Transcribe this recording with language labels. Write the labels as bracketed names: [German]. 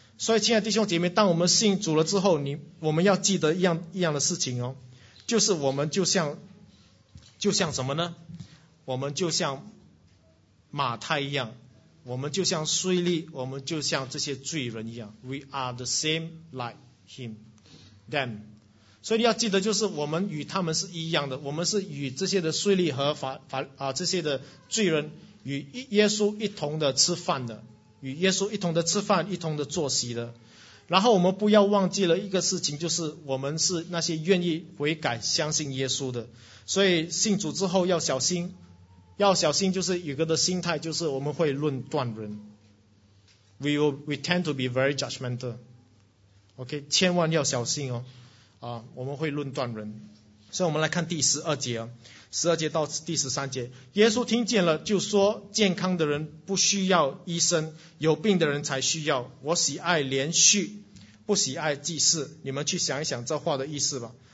[Chinese] 所以亲爱的弟兄姐妹，当我们信主了之后，我们要记得一样的事情就是我们就像什么呢，我们就像马太一样，我们就像税吏，我们就像这些罪人一样。 [English] We are the same like him, them. [Chinese] 所以你要记得，就是我们与他们是一样的，我们是与这些的税吏和这些的罪人与耶稣一同的吃饭的，与耶稣一同的吃饭，一同的坐席的。然后我们不要忘记了一个事情，就是我们是那些愿意悔改相信耶稣的。所以信主之后要小心，要小心，就是有个的心态，就是我们会论断人。 [English] We tend to be very judgmental. [Chinese] OK, 千万要小心哦。我们会论断人。所以我们来看第十二节，十二节到第十三节。耶稣听见了，就说，健康的人不需要医生，有病的人才需要。我喜爱连续，不喜爱祭祀。你们去想一想这话的意思吧。